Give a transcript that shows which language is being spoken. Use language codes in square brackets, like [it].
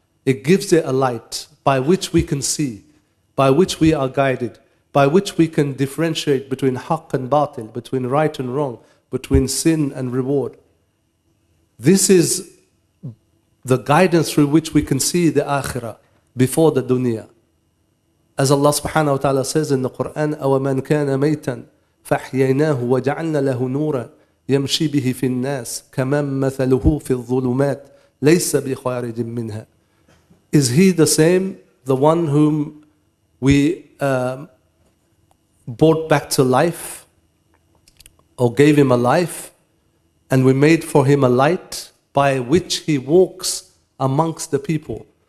[en] It gives it a light by which we can see, by which we are guided, by which we can differentiate between haqq and batil, between right and wrong, between sin and reward. This is the guidance through which we can see the akhirah before the dunya. As Allah subhanahu wa ta'ala says in the Quran, [ar] أَوَمَنْ كَانَ مَيْتًا فَأَحْيَيْنَاهُ وَجَعَلْنَا لَهُ نُورًا يَمْشِي بِهِ فِي النَّاسِ كَمَنْ مَثَلُهُ فِي الظُّلُمَاتِ لَيْسَ بِخَارِجٍ مِّنْهَا. [en] Is he the same, the one whom we brought back to life, or gave him a life, and we made for him a light by which he walks amongst the people?